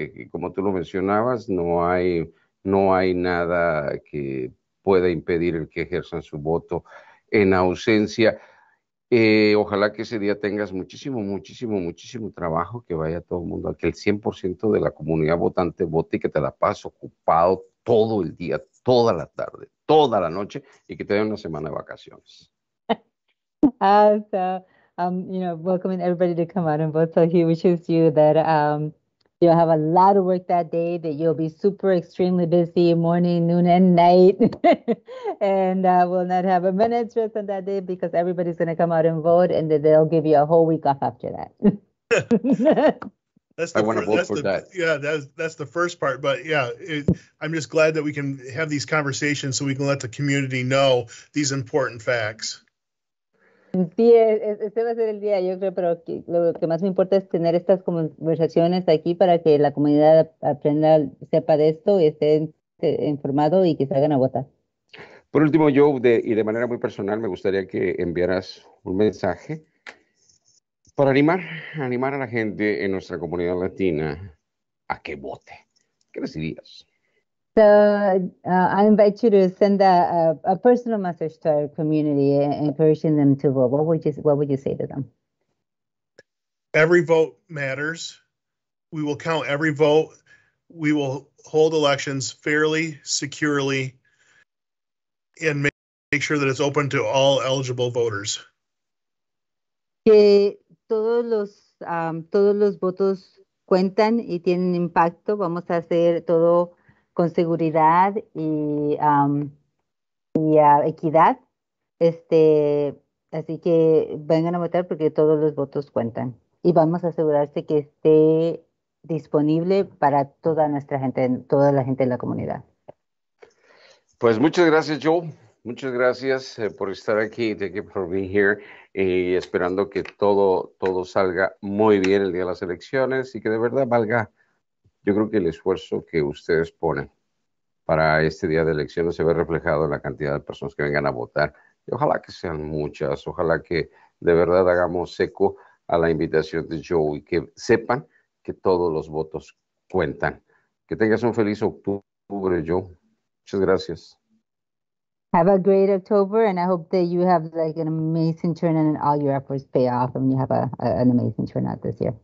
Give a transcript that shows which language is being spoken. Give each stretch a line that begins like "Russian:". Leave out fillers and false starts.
Spanish: Como tú lo mencionabas, no hay nada que pueda impedir el que ejerzan su voto en ausencia. Ojalá que ese día tengas muchísimo, muchísimo, muchísimo trabajo, que vaya todo el mundo, que el 100% de la comunidad votante vote, y que te la pases ocupado todo el día, toda la tarde, toda la noche, y que te den una semana de vacaciones.
English: So, welcoming everybody to come out and vote. So he wishes you that You'll have a lot of work that day that you'll be super extremely busy morning, noon, and night. And we'll not have a minute's rest on that day because everybody's going to come out and vote and they'll give you a whole week off after that. That's the first part. But yeah, I'm just glad that we can have these conversations so we can let the community know these important facts.
Spanish: Sí, este va a ser el día, yo creo, pero lo que más me importa es tener estas conversaciones aquí para que la comunidad aprenda, sepa de esto y esté informado y que salgan a votar. Por último, Joe, de manera muy personal, me gustaría que enviaras un mensaje para animar a la gente en nuestra comunidad latina a que vote. ¿Qué les dirías?
English: So I invite you to send a personal message to our community, encouraging them to vote. What would you say to them? Every vote matters. We will count every vote. We will hold elections fairly, securely, and make sure that it's open to all eligible voters.
Spanish: Que todos los votos cuentan y tienen impacto. Vamos a hacer todo con seguridad y equidad, así que vengan a votar porque todos los votos cuentan y vamos a asegurarse que esté disponible para toda nuestra gente, toda la gente de la comunidad. Pues muchas gracias, Joe. Muchas gracias por estar aquí.
English: Thank you for being here.
Spanish: Y esperando que todo salga muy bien el día de las elecciones y que de verdad valga. Yo creo que el esfuerzo que ustedes ponen para este día de elecciones se ve reflejado en la cantidad de personas que vengan a votar. Y ojalá que sean muchas, ojalá que de verdad hagamos eco a la invitación de Joe y que sepan que todos los votos cuentan. Que tengas un feliz octubre, Joe. Muchas gracias.
English: Have a great October and I hope that you have like an amazing turnout and all your efforts pay off and you have an amazing turnout this year.